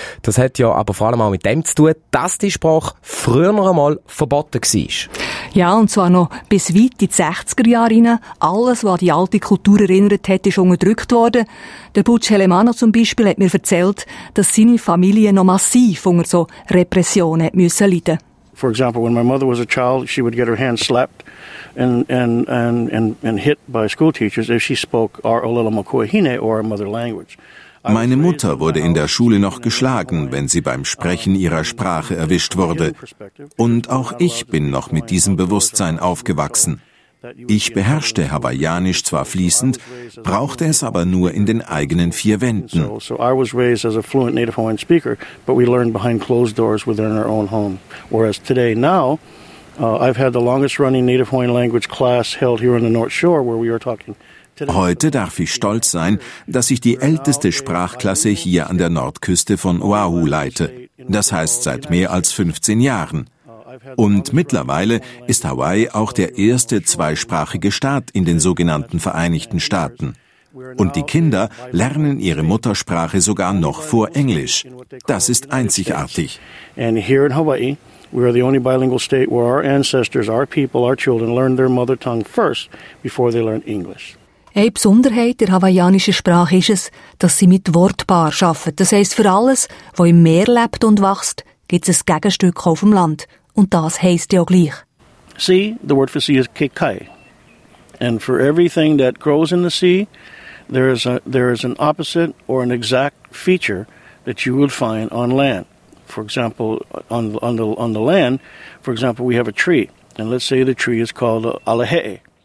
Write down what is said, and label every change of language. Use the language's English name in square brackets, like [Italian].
[German] Das hat ja aber vor allem auch mit dem zu tun, dass die Sprache früher noch einmal verboten war. Ja, und zwar noch bis weit in die 60er Jahre hinein. Alles, was an die alte Kultur erinnert hat, ist unterdrückt worden. Der Butch Helemano zum Beispiel hat mir erzählt, dass seine Familie noch massiv unter so Repressionen leiden musste. [English] For example, when my mother was a child, she would get her hand slapped and hit by school teachers if she spoke our Olelomokuehine or our mother language. [German] Meine Mutter wurde in der Schule noch geschlagen, wenn sie beim Sprechen ihrer Sprache erwischt wurde. Und auch ich bin noch mit diesem Bewusstsein aufgewachsen. Ich beherrschte Hawaiianisch zwar fließend, brauchte es aber nur in den eigenen vier Wänden. [English] So I was raised as a fluent native Hawaiian speaker, but we learned behind closed doors within our own home. Whereas today, now, I've had the longest running native Hawaiian language class held here on the North Shore, where we are talking. [German] Heute darf ich stolz sein, dass ich die älteste Sprachklasse hier an der Nordküste von Oahu leite, das heißt seit mehr als 15 Jahren. Und mittlerweile ist Hawaii auch der erste zweisprachige Staat in den sogenannten Vereinigten Staaten. Und die Kinder lernen ihre Muttersprache sogar noch vor Englisch. Das ist einzigartig. Und hier in Hawaii, wir sind der einzige [English] bilingual State, [German] wo unsere Ancestor, unsere Menschen, unsere Kinder ihre Muttersprache zuerst lernen, bevor sie Englisch lernen. Eine Besonderheit der hawaiianischen Sprache ist es, dass sie mit Wortpaar arbeiten. Das heisst, für alles, was im Meer lebt und wächst, gibt es ein Gegenstück auf dem Land. Und das heisst ja gleich. [English] Sea, the word for sea is kekai. And for everything that grows in the sea, there is an opposite or an exact feature that you would find on land. For example, on the land, for example, we have a tree. And let's say the tree is called alahe'e.